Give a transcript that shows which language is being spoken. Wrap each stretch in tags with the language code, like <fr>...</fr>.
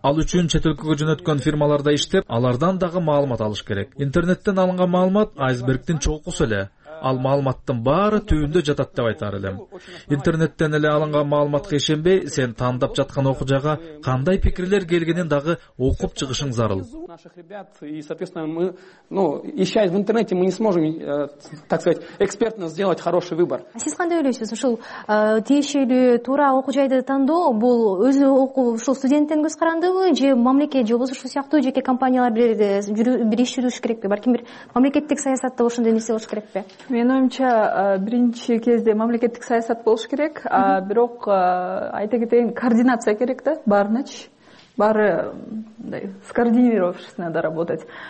<ky>Ал үчүн чет өлкөгө жөнөткөн фирмаларда иштеп, алардан дагы маалымат алыш керек. Интернеттен алынган маалымат айсбергдин чокусу эле. Ал маалыматтын баары түбүндө жатат деп айтар элем. Интернеттен эле алынган маалыматка ишенбей, сен тандап жаткан окуу жайга кандай пикирлер келгенин дагы окуп чыгышың зарыл.</ky> <ru>Наших ребят и, соответственно, мы, ну, ищая в интернете, мы не сможем, так сказать, экспертно сделать хороший выбор.</ru> <ky>Сиз кандай ойлойсуз? Ушул тиешелүү туура окуу жайды тандоо бул өзү окуу ушул студенттен көз карандыбы же мамлекет же болбосо ушул сыяктуу жеке компаниялар бир иш жүрүш керекпи? Балким бир мамлекеттик саясатта ошондой нерсе болуш керекпи? Менин оюмча биринчи кезде мамлекеттик саясат болуш керек, а бирок айта кетейин, координация керек да, баарыначы. Баары мындай</ky> <ru>скоординировавшись надо работать.</ru>